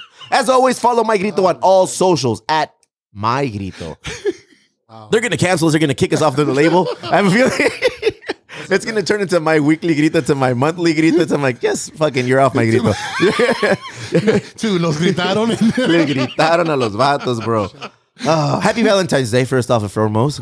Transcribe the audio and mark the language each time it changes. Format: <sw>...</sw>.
<en>As always, follow My Grito on all socials at My Grito. They're going to cancel us. They're going to kick us off the label. I'm feeling it's going to turn into my weekly grito to my monthly grito. So I'm like, yes, fucking, you're off My Grito.</en> <es>To los gritaron. Le gritaron a los vatos, bro.</es> <en>Happy Valentine's Day, first off and foremost.</en>